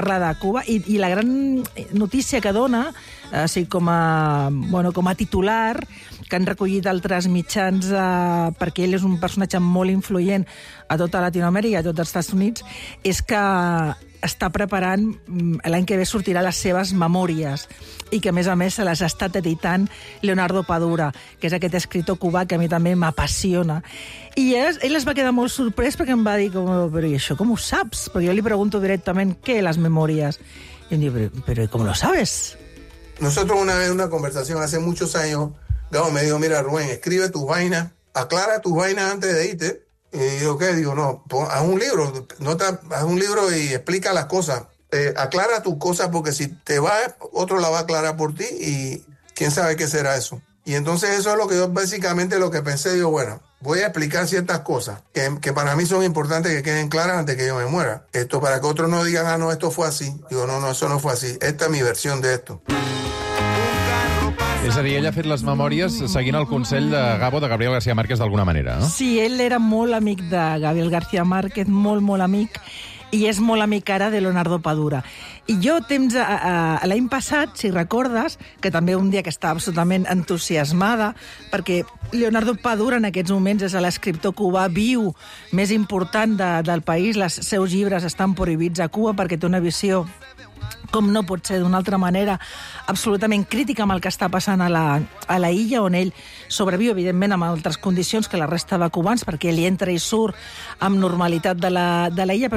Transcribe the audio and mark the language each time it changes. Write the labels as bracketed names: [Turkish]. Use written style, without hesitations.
[Catalan] Parla de Cuba i la gran notícia que dona, així com a, bueno, com a titular, que han recollit altres mitjans, perquè ell és un personatge molt influent a tota Latinoamèrica i a tots els Estats Units, és que està preparant, l'any que ve sortirà les seves memòries, i que a més se les ha estat editant Leonardo Padura, que és aquest escriptor cubà que a mi també m'apassiona. I ell es va quedar molt sorprès, perquè em va dir, però i això com ho saps? Perquè jo li pregunto directament, què, les memòries? I em diu, però com [Spanish] lo sabes? Nosotros una vez en una conversación hace muchos años, Gabo me dijo, mira Rubén, escribe tus vainas, aclara tus vainas antes de irte. Y yo, ¿qué? Digo, no, pues, haz un libro, nota, haz un libro y explica las cosas. Aclara tus cosas, porque si te vas, otro la va a aclarar por ti, y quién sabe qué será eso. Y entonces eso es lo que yo básicamente lo que pensé. Digo, bueno, voy a explicar ciertas cosas que para mí son importantes que queden claras antes que yo me muera. Esto para que otros no digan, ah, no, esto fue así. Digo, no, no, eso no fue así. Esta es mi versión de esto. [Catalan] És a dir, ell ha fet les memòries seguint el consell de Gabo, de Gabriel García Márquez, d'alguna manera, no? Sí, ell era molt amic de Gabriel García Márquez, molt, molt amic, i és molt amic ara de Leonardo Padura. I jo, temps l'any passat, si recordes, que també un dia que estava absolutament entusiasmada, perquè Leonardo Padura en aquests moments és l'escriptor cubà viu més important del país, els seus llibres estan prohibits a Cuba perquè té una visió, com no pot ser d'una altra manera, absolutament crítica amb el que està passant a la illa, on ell sobreviu, evidentment, amb altres condicions que la resta de cubans, perquè ell entra i surt amb normalitat de la illa.